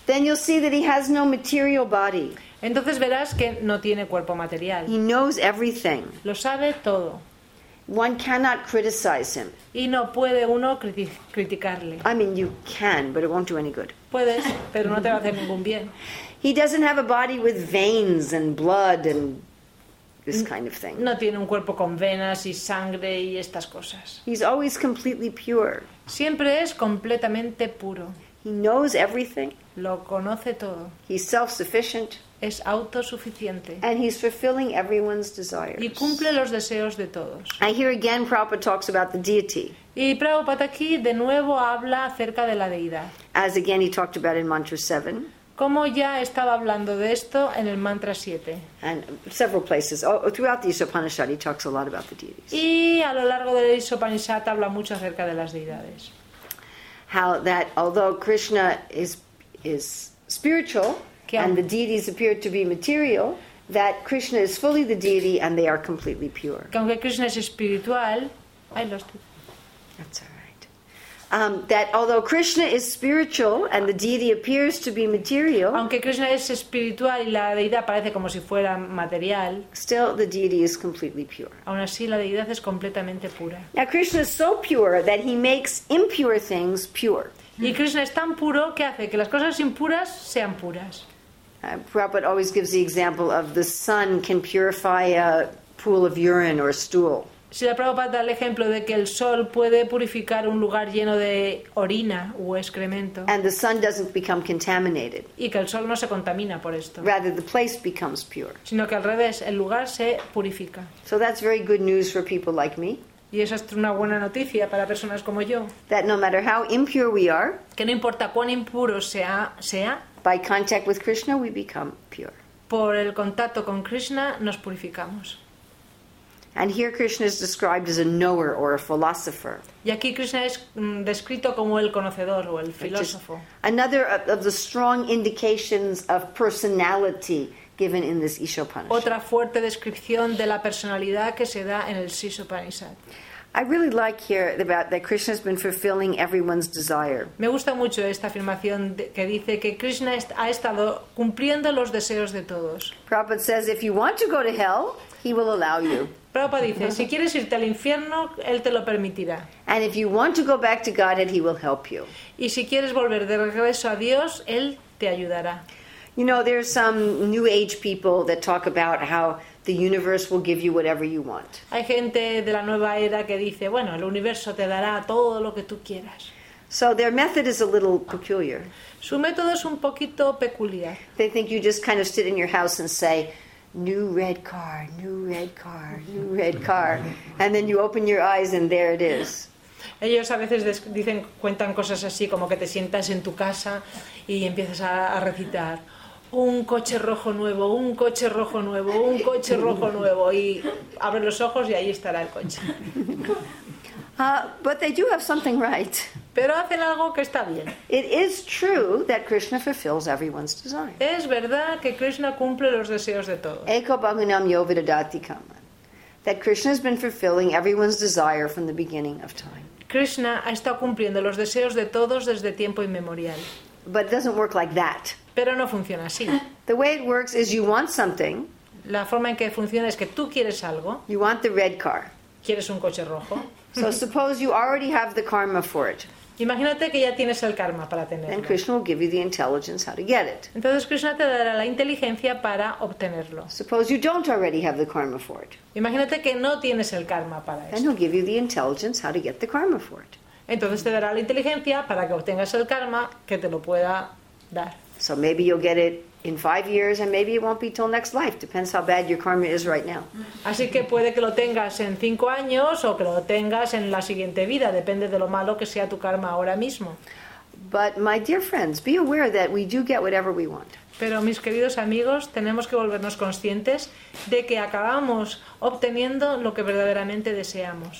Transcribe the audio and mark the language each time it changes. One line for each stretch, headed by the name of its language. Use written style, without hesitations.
English: then you'll see that he has no material body.
Spanish: Entonces verás que no tiene cuerpo material.
English: He knows everything.
Spanish: Lo sabe todo.
English: One cannot criticize him.
Spanish: Y no puede uno criticarle.
English: I mean, you can, but it won't do any good.
Spanish: Puedes, pero no te va a hacer ningún bien.
English: He doesn't have a body with veins and blood and this kind of thing.
Spanish: No tiene un cuerpo con venas y sangre y estas cosas.
English: He's always completely pure.
Spanish: Siempre es completamente puro.
English: He knows everything.
Spanish: Lo conoce todo.
English: He's self-sufficient.
Spanish: Es autosuficiente.
English: And he's fulfilling everyone's desires.
Spanish: Y cumple los deseos de todos.
English: I hear again Prabhupada talks about the deity.
Spanish: Y Prabhupada aquí de nuevo habla acerca de la deidad.
English: As again he talked about in Mantra 7.
Spanish: Como ya estaba hablando de esto en el Mantra 7.
English: And several places. Oh, throughout the Isopanishad he talks a lot about the deities.
Spanish: Y a lo largo del Isopanishad habla mucho acerca de las deidades.
English: How that although Krishna is spiritual, and the deities appear to be material, that Krishna is fully the deity and they are completely pure.
Spanish: Que aunque Krishna es espiritual,
English: I lost it. That's all right. That although Krishna is spiritual and the deity appears to be material,
Spanish: aunque Krishna es espiritual y la deidad parece como si fuera material,
English: still the deity is completely pure.
Spanish: Aun así la deidad es completamente pura.
English: Now Krishna is so pure that he makes impure things pure.
Spanish: Y Krishna es tan puro que hace que las cosas impuras sean puras.
English: Prabhupada always gives the example of the sun can purify a pool of urine or a stool.
Spanish: Si la Prabhupada da el ejemplo de que el sol puede purificar un lugar lleno de orina o excremento.
English: And the sun doesn't become contaminated.
Spanish: Y que el sol no se contamina por esto.
English: Rather, the place becomes pure.
Spanish: Sino que al revés, el lugar se purifica.
English: So that's very good news for people like me.
Spanish: Y esa es una buena noticia para personas como yo.
English: That no matter how impure we are,
Spanish: que no importa cuán impuro sea,
English: by contact with Krishna we become pure.
Spanish: Por el contacto con Krishna nos purificamos.
English: And here Krishna is described as a knower or a philosopher.
Spanish: Y aquí Krishna es descrito como el conocedor o el filósofo.
English: Another of the strong indications of personality given in this Isopanishad.
Spanish: Otra fuerte descripción de la personalidad que se da en el Isopanishad.
English: I really like here about that Krishna has been fulfilling everyone's desire.
Spanish: Me gusta mucho esta afirmación que dice que Krishna ha estado cumpliendo los deseos de todos.
English: Prabhupada says if you want to go to hell, he will allow you.
Spanish: Prabhupada dice, si quieres irte al infierno, él te lo permitirá.
English: And if you want to go back to Godhead, he will help you.
Spanish: Y si quieres volver de regreso a Dios, él te ayudará.
English: You know, there's some new age people that talk about how the universe will give you whatever you want.
Spanish: Hay gente de la nueva era que dice, bueno, el universo te dará todo lo que tú quieras.
English: So their method is a little peculiar.
Spanish: Su método es un poquito peculiar.
English: They think you just kind of sit in your house and say, new red car, new red car, new red car. And then you open your eyes and there it is.
Spanish: Ellos a veces dicen, cuentan cosas así, como que te sientas en tu casa y empiezas a recitar, un coche rojo nuevo, un coche rojo nuevo, y abre los ojos y ahí estará el coche.
English: But they do have something right.
Spanish: Pero hacen algo que está bien.
English: It is true that Krishna fulfills everyone's desire.
Spanish: Es verdad que Krishna cumple los deseos de todos.
Sanskrit: Eko bhagunam yo vidadati kaman.
English: That Krishna has been fulfilling everyone's desire from the beginning of time.
Spanish: Krishna ha estado cumpliendo los deseos de todos desde tiempo inmemorial.
English: But it doesn't work like that.
Spanish: Pero no funciona así.
English: The way it works is you want something.
Spanish: La forma en que funciona es que tú quieres algo.
English: You want the red car.
Spanish: Quieres un coche rojo.
English: So suppose you already have the karma for it.
Spanish: Imagínate que ya tienes el karma para tenerlo.
English: And Krishna will give you the intelligence how to get it.
Spanish: Entonces Krishna te dará la inteligencia para obtenerlo.
English: Suppose you don't already have the karma for it.
Spanish: Imagínate que no tienes el karma para eso.
English: And he'll give you the intelligence how to get the karma for it.
Spanish: Entonces te dará la inteligencia para que obtengas el karma que te lo pueda dar.
English: So maybe you'll get it in 5 years and maybe it won't be till next life. Depends how bad your karma is right now.
Spanish: Así que puede que lo tengas en 5 años o que lo tengas en la siguiente vida. Depende de lo malo que sea tu karma ahora mismo.
English: But my dear friends, be aware that we do get whatever we want.
Spanish: Pero mis queridos amigos, tenemos que volvernos conscientes de que acabamos obteniendo lo que verdaderamente deseamos.